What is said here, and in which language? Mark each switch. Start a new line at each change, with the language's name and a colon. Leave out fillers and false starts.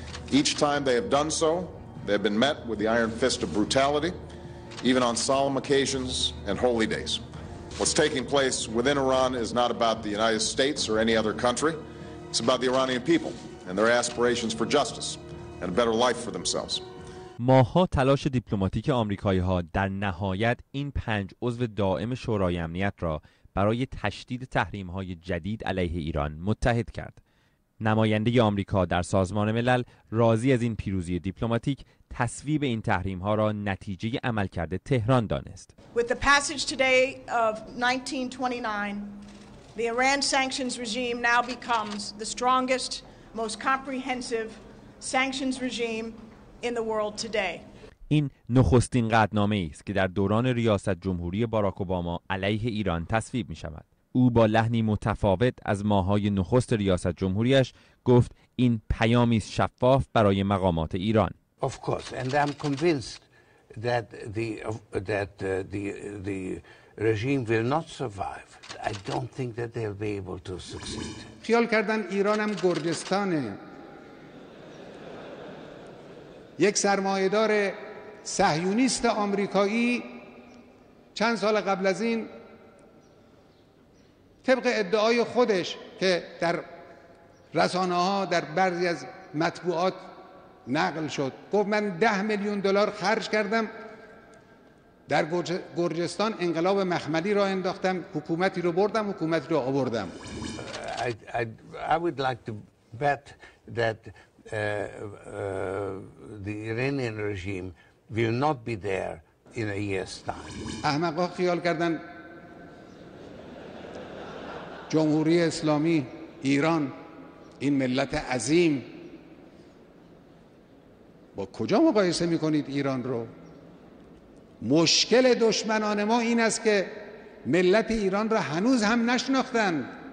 English: Each time they have done so, they have been met with the iron fist of brutality, even on solemn occasions and holy days. What's taking place within Iran is not about the United States or any other country. It's about the Iranian people and their aspirations for justice and a better life for themselves.
Persian: ماها تلاش دیپلماتیک آمریکایی‌ها در نهایت این پنج عضو دائم شورای امنیت را برای تشدید تحریم‌های جدید علیه ایران متحد کرد. نماینده آمریکا در سازمان ملل راضی از این پیروزی دیپلماتیک، تصویب این تحریم‌ها را نتیجه عملکرد تهران دانست.
English: With the passage today of 1929, the Iran sanctions regime now becomes the strongest, most comprehensive sanctions regime in the world today.
Persian: این نخستین قطعنامه ای است که در دوران ریاست جمهوری باراک اوباما علیه ایران تصویب می شود. او با لحنی متفاوت از ماهای نخست ریاست جمهوریش گفت این پیامی است شفاف برای مقامات ایران.
English: Of course, and I'm convinced that the regime will not survive. I don't think that they'll be able to succeed.
Persian: خیال کردن ایرانم گرجستانه. یک سرمایه‌دار صهیونیست آمریکایی چند سال قبل از این طبق ادعای خودش که در رسانه‌ها در بعضی از مطبوعات نقل شد، گفت من 10 میلیون دلار خرج کردم در گرجستان، انقلاب مخملی را انداختم، حکومتی را بردم، حکومتی را آوردم.
English: I would like to bet that the Iranian regime will not be there in a year's time.
Persian: احمقا خیال کردن جمهوری اسلامی ایران، این ملت عظیم، با کجا مقایسه میکنید ایران رو؟ مشکل دشمنان ما این است که ملت ایران را هنوز هم نشناختند.